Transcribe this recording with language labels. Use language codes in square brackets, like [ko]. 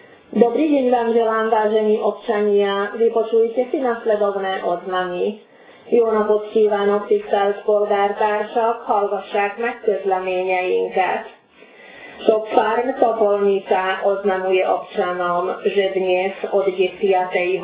[sk] Dobrý deň vám želám, vážení občania. Vypočujte si nasledovné oznámy. [hu] Jó napot kívánok, tisztelt polgártársak, hallgassák meg közleményeinket. [sk] Sok farm Topolnica oznamuje občanom, že dnes od 10.